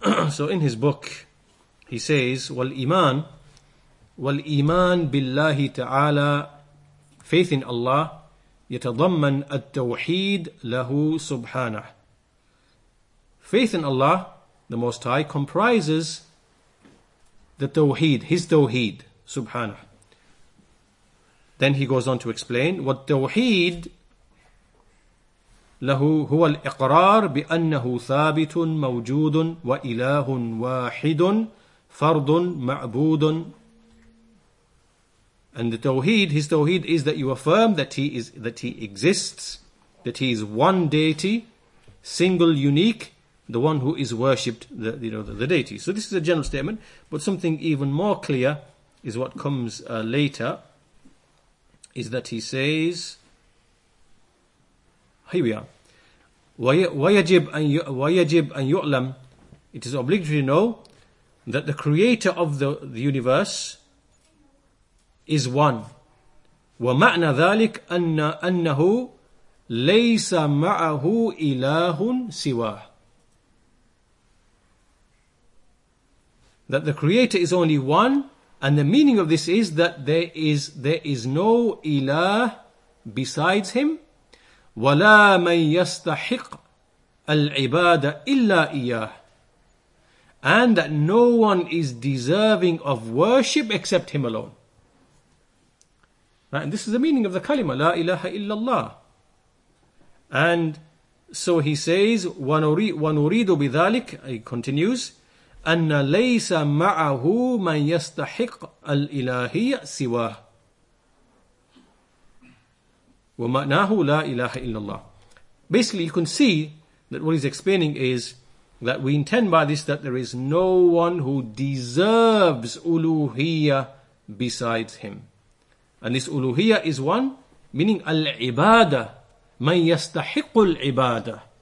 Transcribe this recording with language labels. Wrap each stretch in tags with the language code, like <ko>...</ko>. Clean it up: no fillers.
<en>So in his book, he says,</en> <ar>وَالْإِيمَانُ بِاللَّهِ تَعَالَى,</ar> <en>faith in Allah,</en> <ar>يتضمن التوحيد له سبحانه.</ar> <en>Faith in Allah, the Most High, comprises the Tawheed, his Tawheed, سبحانه. Then he goes on to explain,</en> <ar>وَالْتَوْحِيد له هو الإقرار بأنه ثابت موجود وإله واحد فرض معبود.</ar> <en>And the Tawheed, his Tawheed, is that you affirm that he exists, that he is one deity, single, unique, the one who is worshipped, the deity. So this is a general statement, but something even more clear is what comes later, is that he says, here we are.</en> <ar>ويجب أن يعلم,</ar> <en>it is obligatory to know that the creator of the universe is one.</en> <ar>ومعنى ذلك أنه ليس معه إله سواه.</ar> <en>That the creator is only one, and the meaning of this is that there is no إله besides him.</en> <ar>ولا من يستحق al-ibada illa iyyah,</ar> <en>and that no one is deserving of worship except him alone. Right? And this is the meaning of the kalima, la ilaha illallah. And so he says,</en> <ar>وَنُرِيدُ بِذَلِكَ,</ar> <en>he continues,</en> <ar>أَنَّ لَيْسَ مَعَهُ مَنْ يَسْتَحِقْ الْإِلَٰهِيَ سِوَاهُ وَمَعْنَاهُ لَا إِلَٰهَ إِلَّا اللَّهِ.</ar> <en>Basically, you can see that what he's explaining is that we intend by this that there is no one who deserves uluhiyya besides him. And this uluhiyya is one, meaning al-ibadah,</en> <ar>مَنْ يَسْتَحِقُ الْعِبَادَةِ.</ar>